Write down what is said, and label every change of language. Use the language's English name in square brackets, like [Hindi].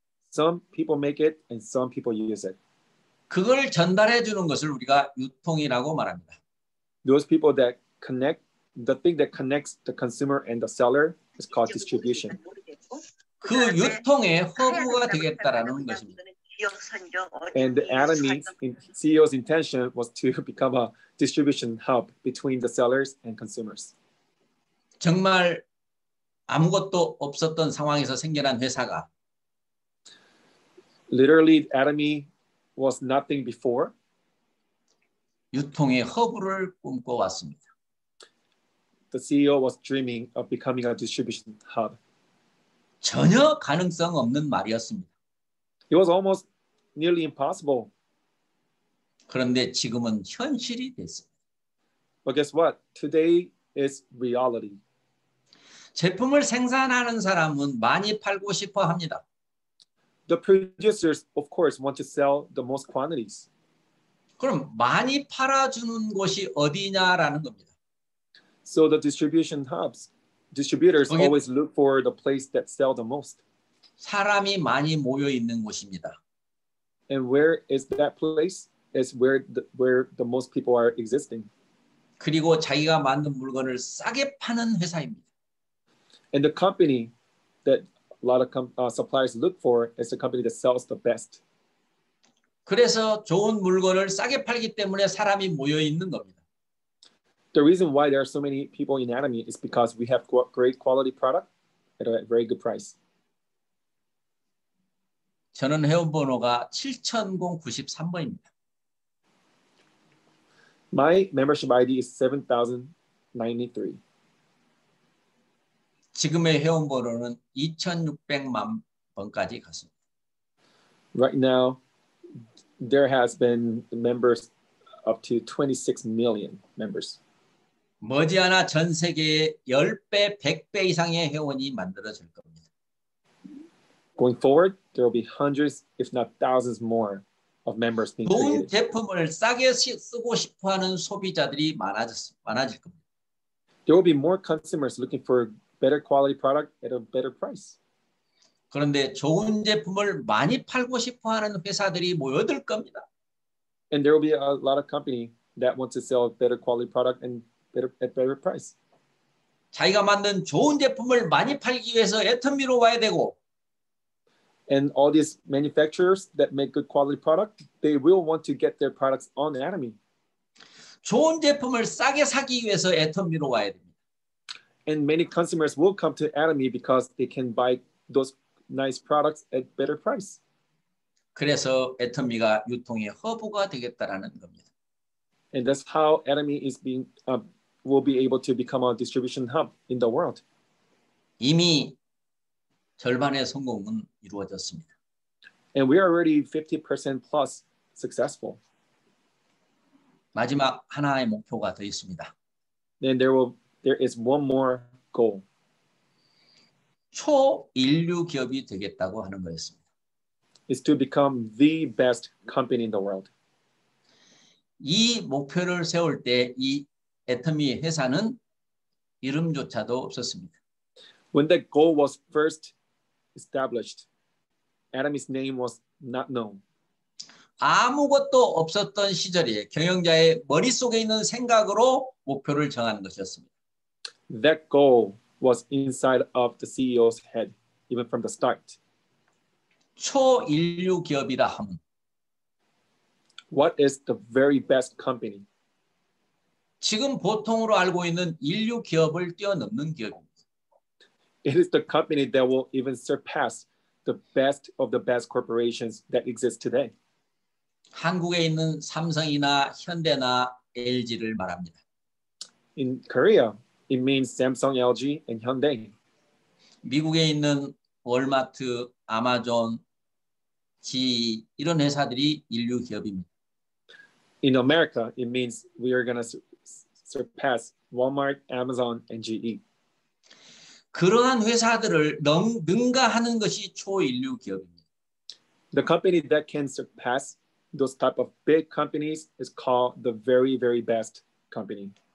[English] Some people make it and some people use it. [Korean] 그걸 전달해 주는 것을 우리가 유통이라고 말합니다. [English] Those people that connect, the thing that connects the consumer and the seller is called distribution. [Korean] 그 유통의 허브가 되겠다라는 것입니다. [English] And the Adam CEO's intention was to become a distribution hub between the sellers and consumers. [Korean] 정말 아무것도 없었던 상황에서 생겨난 회사가 [English] Literally, Adam was nothing before. [Korean] 유통의 허브를 꿈꿔왔습니다. [English] The CEO was dreaming of becoming a distribution hub. [Korean] 전혀 가능성 없는 말이었습니다. [English] It was almost nearly impossible. [Korean] 그런데 지금은 현실이 됐습니다. [English] But guess what? Today is reality. [Korean] 제품을 생산하는 사람은 많이 팔고 싶어 합니다. [English] The producers, of course, want to sell the most quantities. [Korean] 그럼 많이 팔아주는 곳이 어디냐라는 겁니다. [English] So the distribution hubs, distributors [Korean] 거기, [English] always look for the place that sell the most. [Korean] 사람이 많이 모여 있는 곳입니다. [English] And where is that place? It's where the most people are existing. [Korean] 그리고 자기가 만든 물건을 싸게 파는 회사입니다. [English] And the company that A lot of suppliers look for is a company that sells the best. [Korean] 그래서 좋은 물건을 싸게 팔기 때문에 사람이 모여 있는 겁니다. [English] The reason why there are so many people in Adam is because we have great quality product at a very good price. [Korean] 저는 회원번호가 7093번입니다. [English] My membership ID is 7093. [Korean] 지금의 회원번호는 2,600만 번까지 갔습니다. [English] Right now, there has been members up to 26 million members. [Korean] 머지않아 전 세계의 10배, 100배 이상의 회원이 만들어질 겁니다. [English] Going forward, there will be hundreds, if not thousands more of members being created. [Korean] 좋은 제품을 싸게 쓰고 싶어하는 소비자들이 많아질 겁니다. [English] There will be more consumers looking for better quality product at a better price. [Korean] 그런데 좋은 제품을 많이 팔고 싶어 하는 회사들이 모여들 겁니다. [English] And there will be a lot of company that wants to sell better quality product and better at better price. [Korean] 자기가 만든 좋은 제품을 많이 팔기 위해서 애터미로 와야 되고 [English] And all these manufacturers that make good quality product, they will want to get their products on Atomy. [Korean] 좋은 제품을 싸게 사기 위해서 애터미로 와야 돼. [English] And many consumers will come to Atomy because they can buy those nice products at better price. [Korean] 그래서 애터미가 유통의 허브가 되겠다라는 겁니다. [English] And that's how Atomy is being will be able to become a distribution hub in the world. [Korean] 이미 절반의 성공은 이루어졌습니다. [English] And we are already 50% plus successful. [Korean] 마지막 하나의 목표가 더 있습니다. [English] Then there will There is one more goal. [Korean] 초인류 기업이 되겠다고 하는 거였습니다. [English] Is to become the best company in the world. [Korean] 이 목표를 세울 때 이 애터미 회사는 이름조차도 없었습니다. [English] When that goal was first established, Adam's name was not known. [Korean] 아무것도 없었던 시절에 경영자의 머릿속에 있는 생각으로 목표를 정하는 것이었습니다. [English] That goal was inside of the CEO's head, even from the start. [Korean] 초인류 기업이다 함. [English] What is the very best company? [Korean] 지금 보통으로 알고 있는 인류 기업을 뛰어넘는 기업입니다. [English] It is the company that will even surpass the best of the best corporations that exist today. [Korean] 한국에 있는 삼성이나 현대나 LG를 말합니다. [English] In Korea, It means Samsung, LG, and Hyundai. [Korean] 미국에 있는 월마트, 아마존, 지 이런 회사들이 인류 기업입니다. [English] In America, it means we are going to surpass Walmart, Amazon, and GE. [Korean] 그러한 회사들을 능가하는 것이 초인류 기업입니다. [English] The company that can surpass those type of big companies is called the very, very best company.